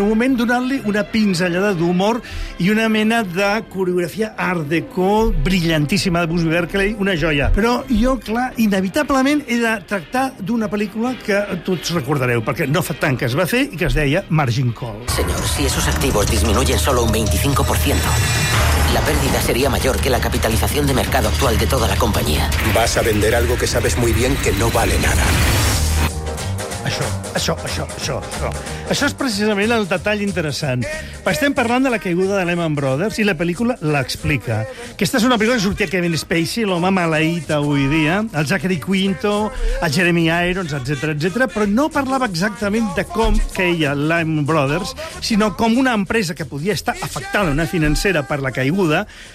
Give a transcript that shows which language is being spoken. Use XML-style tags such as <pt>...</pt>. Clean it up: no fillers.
<ca>En un moment donant-li una pinzellada d'humor i una mena de coreografia art déco brillantíssima de Busby Berkeley, una joia. Però jo, clar, inevitablement he de tractar d'una pel·lícula que tots recordareu, perquè no fa tant que es va fer i que es deia Margin Call.</ca> <es>Señor, si esos activos disminuyen solo un 25%, la pérdida sería mayor que la capitalización de mercado actual de toda la compañía. Vas a vender algo que sabes muy bien que no vale nada.</es> <ca>Això és precisament el detall interessant. Estem parlant de la caiguda de Lehman Brothers i la pel·lícula l'explica. Aquesta és una pel·lícula que sortia Kevin Spacey, l'home maleït avui dia, el Zachary Quinto, el Jeremy Irons, etc, però no parlava exactament de com caia Lehman Brothers, sinó com una empresa que podia estar afectada, una financera, per la caiguda.</ca>